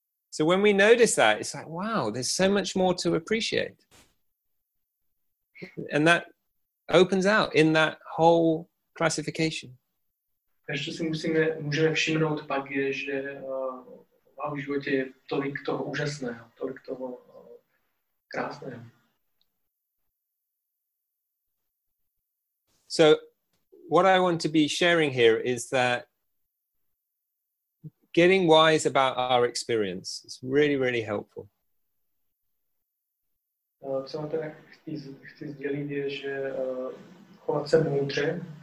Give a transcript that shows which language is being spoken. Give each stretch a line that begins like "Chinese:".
English: So when we notice that, it's like, wow, there's so much more to appreciate. And that opens out in that whole classification.
Czech: Ještě si můžeme všimnout pak, je, že v životě je tolik toho úžasného, tolik toho krásného.
English: So what I want to be sharing here is that getting wise about our experience is really, really helpful.
Czech: Co mám teda chci sdělit je, že chovat se moudře.